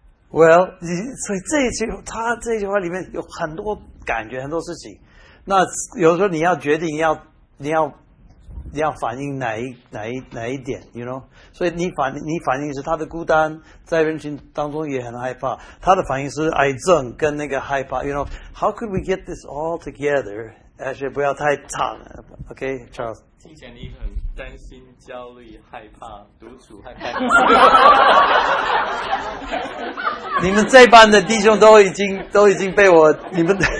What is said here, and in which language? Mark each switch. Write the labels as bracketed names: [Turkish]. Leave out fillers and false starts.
[English] Well, [Chinese] 所以这句话里面有很多感觉，很多事情。那有时候你要决定你要反映哪一点， [English] you know? [Chinese] 所以你反映是他的孤单，在人群当中也很害怕，他的反应是癌症跟那个害怕， [English] you know? How could we get this all together? Actually, [Chinese] 不要太长了， [English] OK, Charles? [Chinese] 听起来你很担心、焦虑、害怕、独处、害怕。你们这班的弟兄都已经被我你们。